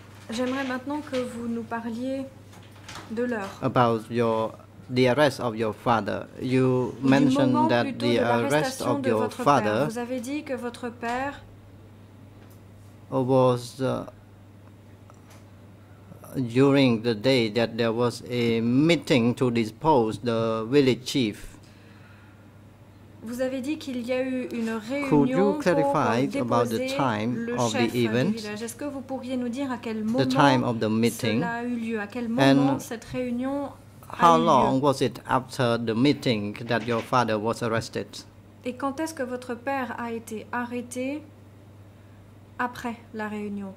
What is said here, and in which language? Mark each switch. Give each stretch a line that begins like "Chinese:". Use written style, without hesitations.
French: J'aimerais maintenant que vous nous parliez de l'heure.
English: About your the arrest of your father. You mentioned that the arrest of your father
French: vous avez dit que votre père
English: was during the day that there was a meeting to depose the village chief.
French: Vous avez dit qu'il y a eu une réunion
English: could you clarify
French: pour
English: about the time of the event,
French: est-ce que vous pourriez nous dire à quel moment
English: the time of the meeting,
French: cela a eu lieu, à quel moment cette réunion
English: How long was it after the meeting that your father was arrested?
French: Et quand est-ce que votre père a été arrêté après la réunion?